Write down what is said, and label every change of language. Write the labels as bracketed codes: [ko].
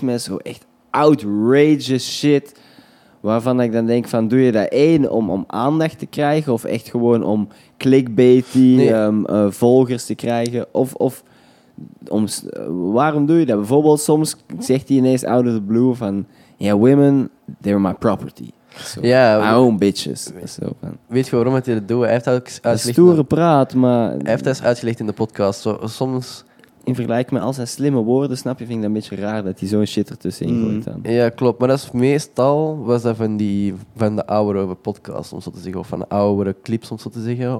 [nl] met zo echt outrageous shit... Waarvan ik dan denk, van doe je dat één om aandacht te krijgen? Of echt gewoon om clickbaity volgers te krijgen? Of om, waarom doe je dat? Bijvoorbeeld soms zegt hij ineens [en] out of the blue [nl] van... [en] Ja, women, they're my property. So, ja, I own bitches. So, [nl] weet je waarom hij dat doet? Hij heeft dat ook uitgelegd... stoere praat, maar... Hij heeft dat uitgelegd in de podcast. So, soms... In vergelijking met al zijn slimme woorden, snap je, vind ik dat een beetje raar dat hij zo'n shit ertussen gooit dan. Ja, klopt. Maar dat is meestal was dat van de oudere podcast, om zo te zeggen, of van de oudere clips, om zo te zeggen.